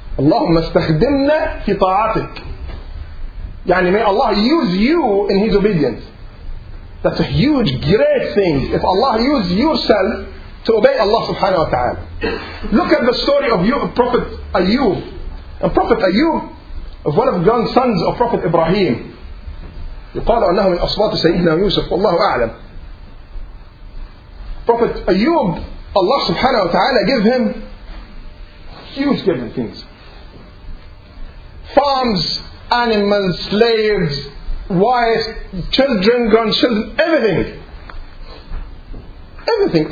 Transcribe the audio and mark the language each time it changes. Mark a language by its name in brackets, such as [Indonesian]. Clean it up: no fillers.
[Arabic] Allahumma istakhdimna fi ta'atik. [English] Yani may Allah use you in His obedience. That's a huge, great thing. If Allah use yourself to obey Allah subhanahu wa ta'ala. Look at the story of Prophet Ayyub. And Prophet Ayyub, of one of the grandsons of Prophet Ibrahim. [Arabic] يقال أنه من أصوات سيدنا يوسف والله أعلم. [English] Prophet Ayyub, Allah subhanahu wa ta'ala give him huge given things. Farms, animals, slaves, wives, children, grandchildren, everything. Everything.